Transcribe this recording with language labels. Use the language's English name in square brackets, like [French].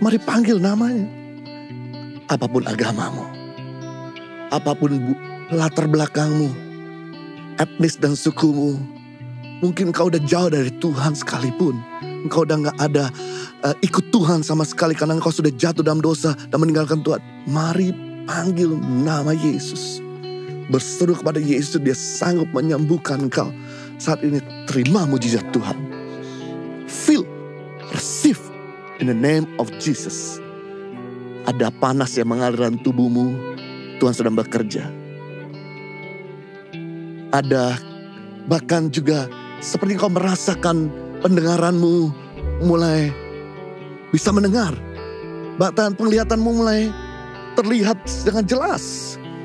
[Indonesian] Mari panggil namanya. Apapun agamamu, apapun latar belakangmu, etnis dan sukumu, mungkin engkau udah jauh dari Tuhan sekalipun. Engkau udah gak ada ikut Tuhan sama sekali karena engkau sudah jatuh dalam dosa dan meninggalkan Tuhan. Mari panggil nama Yesus. Berseru kepada Yesus, dia sanggup menyembuhkan engkau. Saat ini terima mujizat Tuhan. [English] Feel, receive in the name of Jesus. [Indonesian] Ada panas yang mengalir dalam tubuhmu. Tuhan sedang bekerja. Ada bahkan juga seperti engkau merasakan pendengaranmu mulai bisa mendengar. Bahkan penglihatanmu mulai terlihat dengan jelas.